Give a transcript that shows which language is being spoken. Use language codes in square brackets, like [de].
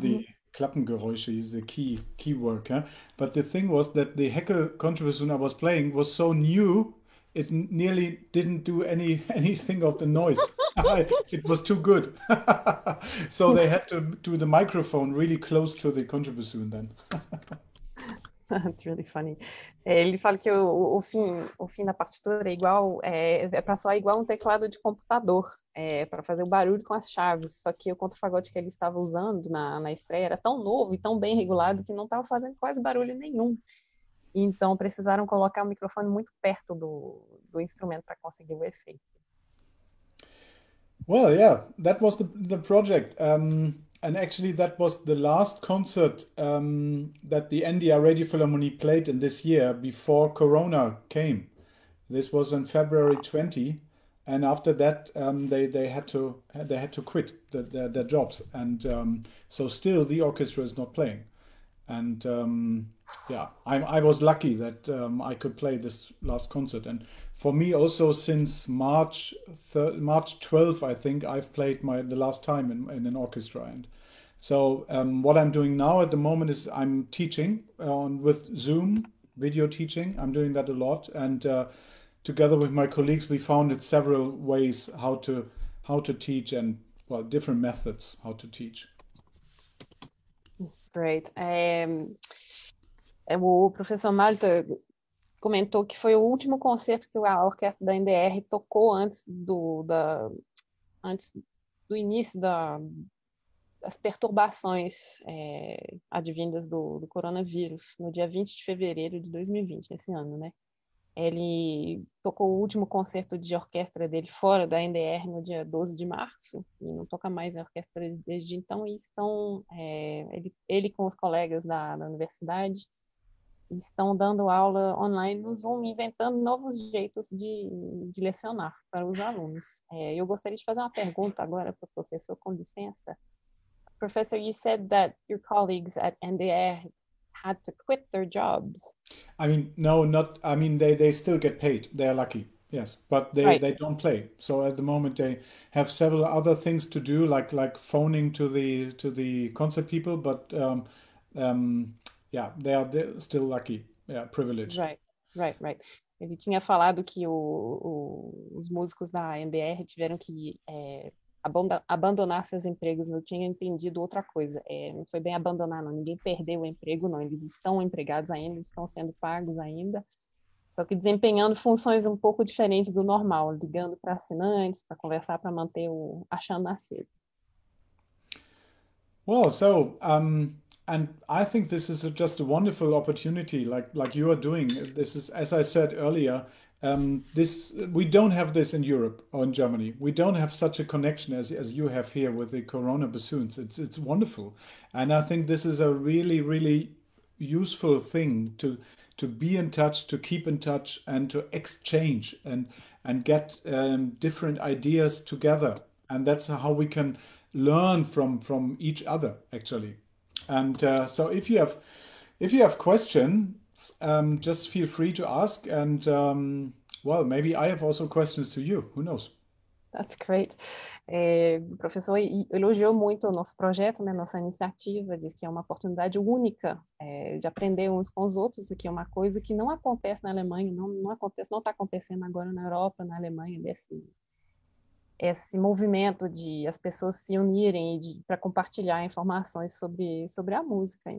[en] the Klappengeräusche is the key work, huh? But the thing was that the Heckel contrabassoon I was playing was so new, it nearly didn't do anything of the noise. It was too good. So they had to do the microphone really close to the contrabassoon then. That's really funny. [pt] Ele fala que o fim da partitura é igual, é para soar igual um teclado de computador, para fazer o barulho com as chaves. Só que o contrafagote que ele estava usando na estreia era tão novo e tão bem regulado que não estava fazendo quase barulho nenhum. Então precisaram colocar o microfone muito perto do instrumento para conseguir o efeito. [en] Well, yeah, that was the project. And actually, that was the last concert that the NDR Radiophilharmonie played in this year before Corona came. This was in February 20, and after that, they had to quit their jobs. And so, still, the orchestra is not playing. And I was lucky that I could play this last concert. And for me, also since March 12, I think I've played the last time in an orchestra. And so what I'm doing now at the moment is I'm teaching on with Zoom video teaching. I'm doing that a lot, and together with my colleagues, we founded several ways how to teach, and well, different methods how to teach. Great. [pt] O professor Malte comentou que foi o último concerto que a orquestra da NDR tocou antes do início da as perturbações advindas do coronavírus, no dia 20 de fevereiro de 2020, esse ano, né? Ele tocou o último concerto de orquestra dele fora da NDR no dia 12 de março, e não toca mais na orquestra desde então, e estão, ele com os colegas da universidade, estão dando aula online no Zoom, inventando novos jeitos de lecionar para os alunos. Eu gostaria de fazer uma pergunta agora para o professor, com licença. [en] Professor, you said that your colleagues at NDR had to quit their jobs. I mean, no, not. I mean, they still get paid. They are lucky, yes. But they, right. they don't play. So at the moment, they have several other things to do, like phoning to the concert people. But they're still lucky. Yeah, privileged. Right. [pt] Ele tinha falado que os músicos da NDR tiveram que abandonar seus empregos, não tinha entendido outra coisa. Não foi bem abandonar, não. Ninguém perdeu o emprego, não. Eles estão empregados ainda, estão sendo pagos ainda, só que desempenhando funções um pouco diferentes do normal, ligando para assinantes, para conversar, para manter a chama acesa. [en] Well, so, and I think this is just a wonderful opportunity, like you are doing. This is, as I said earlier, this we don't have this in Europe or in Germany. We don't have such a connection as you have here with the Corona bassoons. It's wonderful, and I think this is a really really useful thing to be in touch, to keep in touch, and to exchange and get different ideas together. And that's how we can learn from each other, actually. And so if you have question. Just feel free to ask, and well, maybe I have also questions to you. Who knows? That's great. [pt] O professor elogiou muito o nosso projeto, né, nossa iniciativa, diz que é uma oportunidade única de aprender uns com os outros, que é uma coisa que não acontece na Alemanha, não acontece, não está acontecendo agora na Europa, na Alemanha, esse movimento de as pessoas se unirem para compartilhar informações sobre a música.